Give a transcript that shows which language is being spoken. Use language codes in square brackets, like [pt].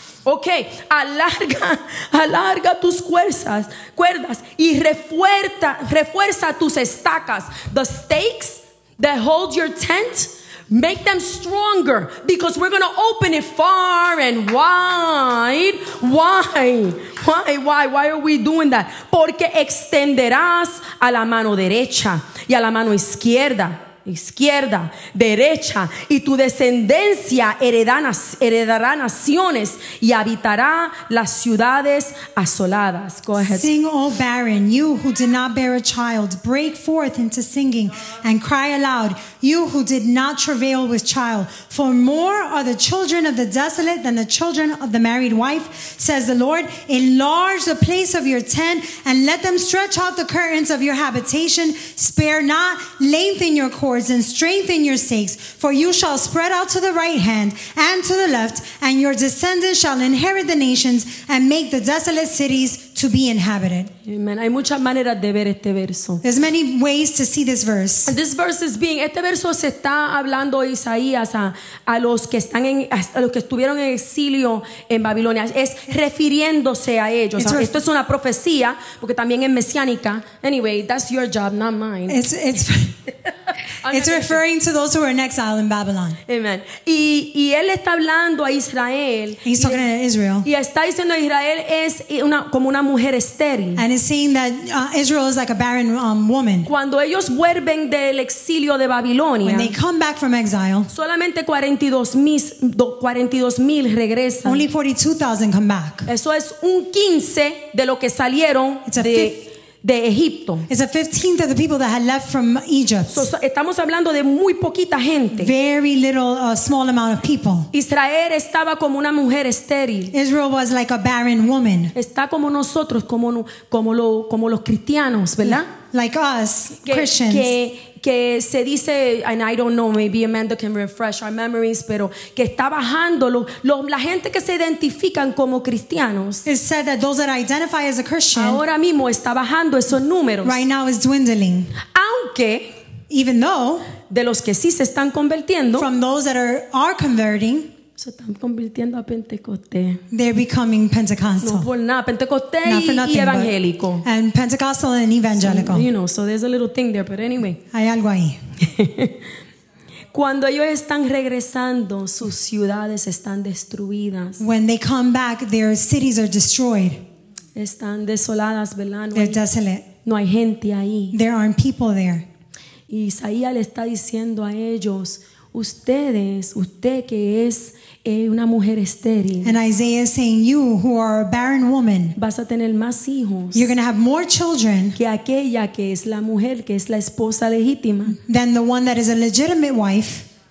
[es] Okay. Alarga tus cuerdas. Y refuerza tus estacas. [en] The stakes that hold your tent. Make them stronger because we're going to open it far and wide. Why are we doing that? [es] Porque extenderás a la mano derecha y a la mano izquierda, derecha, y tu descendencia heredará naciones y habitará las ciudades asoladas. [en] Go ahead. Sing, O barren, you who did not bear a child, break forth into singing and cry aloud, you who did not travail with child, for more are the children of the desolate than the children of the married wife, says the Lord. Enlarge the place of your tent and let them stretch out the curtains of your habitation. Spare not, lengthen your cords and strengthen your stakes, for you shall spread out to the right hand and to the left, and your descendants shall inherit the nations and make the desolate cities to be inhabited. [es] Amen. Hay muchas maneras de ver este verso. [en] There's many ways to see this verse. And this verse is being, [es] este verso se está hablando a Isaías a los que están en, a los que estuvieron en exilio en Babilonia. Es refiriéndose a ellos. O sea, esto es una profecía, porque también es mesiánica. [en] Anyway, that's your job, not mine. It's referring to those who are in exile in Babylon. [es] Amen. Y él está hablando a Israel. [en] He's talking to Israel. [es] Y está diciendo Israel es una como una mujer estéril. [en] And it's saying that Israel is like a barren woman. [es] Cuando ellos vuelven del exilio de Babilonia, [en] when they come back from exile, [es] solamente 42,000 regresan. [en] Only 42,000 come back. [es] Eso es un 15 de lo que salieron de de Egipto. [en] It's a 15th of the people that had left from Egypt. [es] So estamos hablando de muy poquita gente. [en] Very little, a small amount of people. [es] Israel estaba como una mujer estéril. [en] Israel was like a barren woman. [es] Está como nosotros, como los cristianos, ¿verdad? Yeah. [en] Like us, Christians. [es] Que se dice, [en] and I don't know, maybe Amanda can refresh our memories, [es] pero que está bajando la gente que se identifican como cristianos. [en] It's said that those that identify as a Christian. [es] Ahora mismo está bajando esos números. [en] Right now is dwindling. [es] Aunque, [en] even though, [es] de los que sí se están convirtiendo, [en] from those that are converting, [es] se están convirtiendo a Pentecostés. [en] They're becoming Pentecostal. [es] No por nada, Pentecostés [en] not for nothing, [es] y evangélico. [en] But, and Pentecostal and evangelical. So, you know, so there's a little thing there, but anyway. [es] Hay algo ahí. Cuando ellos están regresando, sus ciudades están destruidas. [en] When they come back, their cities are destroyed. [es] Están desoladas, ¿verdad? [en] They're desolate. [es] No hay gente ahí. [en] There aren't people there. [es] Y Isaías le está diciendo a ellos, ustedes, usted que es una mujer estéril. [en] And Isaiah is saying, you who are a barren woman, [es] vas a tener más hijos. [en] You're going to have more children. [es] Que aquella que es la mujer, que es la esposa legítima. [en] Than the one that is a legitimate wife.